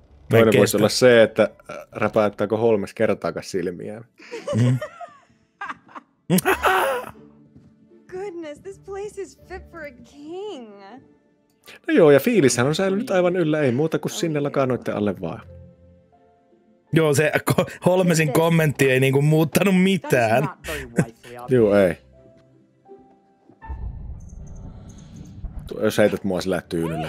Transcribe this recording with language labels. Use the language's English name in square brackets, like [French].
[Finnish] Toinen voisi olla se, että räpäyttääkö Holmes kertaakaan silmiään. [English] Goodness, this place is fit for a king. [Finnish] No joo, ja fiilishän on säilynyt aivan yllä, ei muuta kuin sinne lakanoitte alle vaan. Joo, se Holmesin kommentti ei niinku muuttanut mitään. Joo, ei. Jos heität mua sillä tyynyllä.